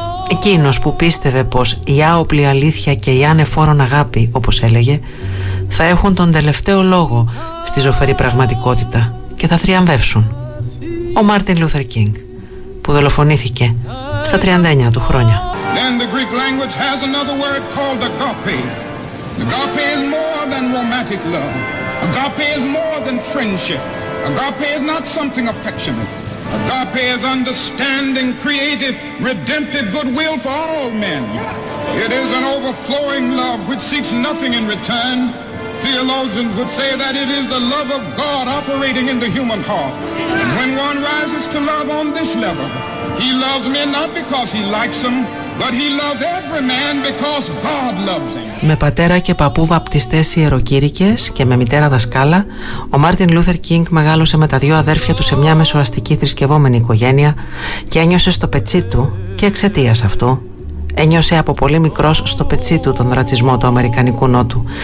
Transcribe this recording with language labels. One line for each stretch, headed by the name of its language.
Greek: Εκείνος που πίστευε πως η άοπλη αλήθεια και η άνευ όρων αγάπη, όπως έλεγε, θα έχουν τον τελευταίο λόγο στη ζωφερή πραγματικότητα και θα θριαμβεύσουν. Ο Μάρτιν Λούθερ Κίνγκ, που δολοφονήθηκε στα 39 του χρόνια.
English: And the Greek language has another word called agape. Agape is more than romantic love. Agape is more than friendship. Agape is not something affectionate. Agape is understanding, creative, redemptive goodwill for all men. It is an overflowing love which seeks nothing in return. Theologians would say that it is the love of God operating in the human heart. And when one rises to love on this level, he loves men not because he likes them, but he loves every man because God loves him.
Greek: Με πατέρα και παππού βαπτιστές ιεροκήρυκες και με μητέρα δασκάλα, ο Μάρτιν Λούθερ Κίνγκ μεγάλωσε με τα δύο αδέρφια του σε μια μεσοαστική θρησκευόμενη οικογένεια και ένιωσε στο πετσί του, και εξαιτίας αυτού, ένιωσε από πολύ μικρός στο πετσί του τον ρατσισμό του Αμερικανικού Νότου.